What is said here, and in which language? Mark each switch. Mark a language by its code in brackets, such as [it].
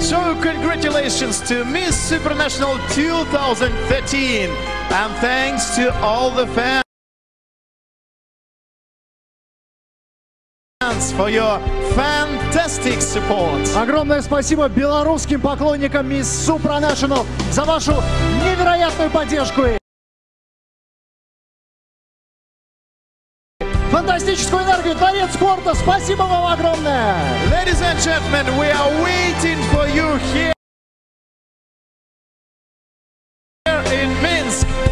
[en] So congratulations to Miss Supranational 2013, and thanks to all the fans for your fantastic support. [ru] Огромное спасибо белорусским поклонникам Miss Supranational за вашу невероятную поддержку и фантастическую энергию, творец спорта, спасибо вам огромное! [en] Ladies and gentlemen, we are waiting for you here in Minsk.